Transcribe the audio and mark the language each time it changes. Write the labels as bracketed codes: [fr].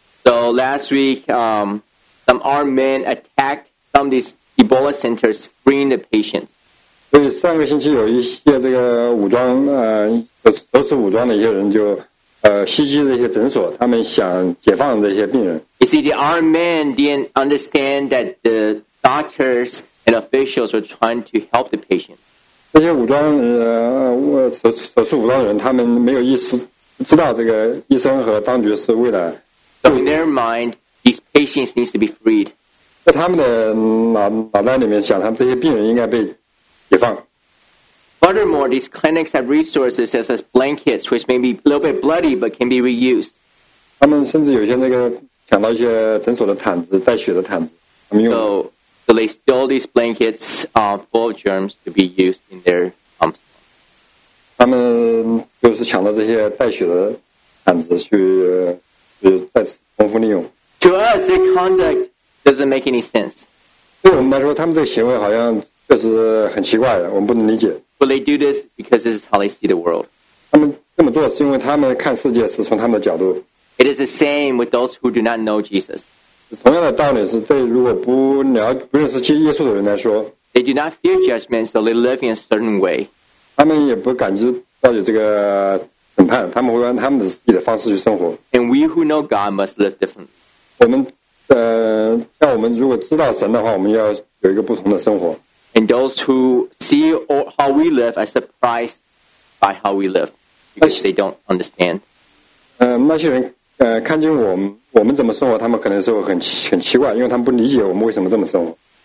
[en] So last week, some armed men attacked some of these Ebola centers, freeing the patients. [zh] 所以上个星期有一些这个武装，都是武装的一些人就。袭击这些诊所，他们想解放这些病人。 [en] You see, the armed men didn't understand that the doctors and officials were trying to help the patient. [zh] 这些武装手术武装人，他们没有意识，不知道这个医生和当局是为了。 [en] So in their mind, these patients need to be freed. [zh] 在他们的脑袋里面想，他们这些病人应该被解放。 [en] Furthermore, these clinics have resources such as blankets, which may be a little bit bloody but can be reused. [zh] 他们甚至有些那个想到一些诊所的毯子，带血的毯子，他们用。 [en] So they stole these blankets full of germs to be used in their pumps. [zh] 他们就是抢到这些带血的毯子去再次重复利用。 [en] To us, their conduct doesn't make any sense. [zh] 对我们来说，他们这个行为好像就是很奇怪的，我们不能理解。 [en] But they do this because this is how they see the world. [zh] 他们这么做是因为他们看世界是从他们的角度。 [en] It is the same with those who do not know Jesus. [zh] 同样的道理是对如果不认识耶稣的人来说。 [en] They do not fear judgment, so they live in a certain way. [zh] 他们也不感觉到有这个审判，他们会按他们的自己的方式去生活。 [en] And we who know God must live differently. [zh] 我们像我们如果知道神的话，我们要有一个不同的生活。 [en] And those who see how we live are surprised by how we live because they don't understand. [zh] 那些人看见我们怎么生活，他们可能是很奇怪，因为他们不理解我们为什么这么生活。